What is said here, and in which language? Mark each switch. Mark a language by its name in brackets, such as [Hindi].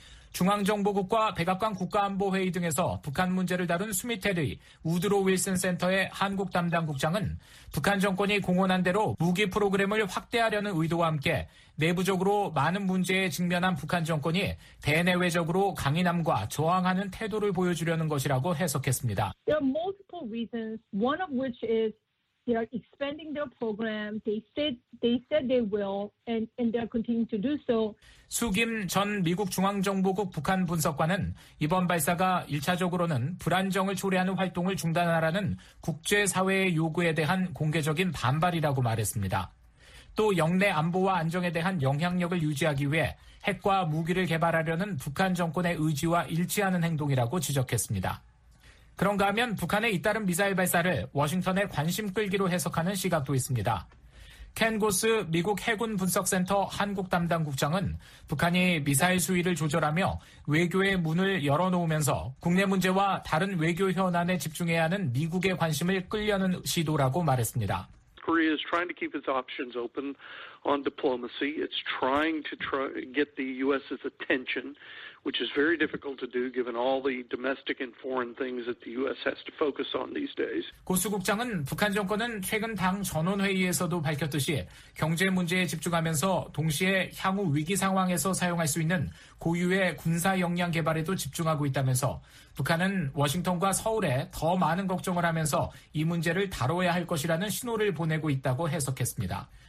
[Korean] 중앙정보국과 백악관 국가안보회의 등에서 북한 문제를 다룬 수미테르 우드로 윌슨 센터의 한국 담당 국장은 북한 정권이 공언한 대로 무기 프로그램을 확대하려는 의도와 함께 내부적으로 많은 문제에 직면한 북한 정권이 대내외적으로 강인함과 저항하는 태도를 보여주려는 것이라고 해석했습니다. [English] There are multiple reasons, one of which is they are expanding their program. They said they will, and they are continuing to do so. [Korean] 수김 전 미국 중앙정보국 북한 분석관은 이번 발사가 1차적으로는 불안정을 초래하는 활동을 중단하라는 국제사회의 요구에 대한 공개적인 반발이라고 말했습니다. 또 영내 안보와 안정에 대한 영향력을 유지하기 위해 핵과 무기를 개발하려는 북한 정권의 의지와 일치하는 행동이라고 지적했습니다. 그런가 하면 북한의 잇따른 미사일 발사를 워싱턴에 관심 끌기로 해석하는 시각도 있습니다. 켄 고스 미국 해군 분석센터 한국 담당 국장은 북한이 미사일 수위를 조절하며 외교의 문을 열어놓으면서 국내 문제와 다른 외교 현안에 집중해야 하는 미국의 관심을 끌려는 시도라고 말했습니다. [English] Korea is trying to keep its options open on diplomacy. It's trying to get the U.S.'s attention, which is very difficult to do given all the domestic and foreign things that the U.S. has to focus on these days. [Korean] 고수 국장은 북한 정권은 최근 당 전원회의에서도 밝혔듯이 경제 문제에 집중하면서 동시에 향후 위기 상황에서 사용할 수 있는 고유의 군사 역량 개발에도 집중하고 있다면서 북한은 워싱턴과 서울에 더 많은 걱정을 하면서 이 문제를 다뤄야 할 것이라는 신호를 보내고 있다고 해석했습니다.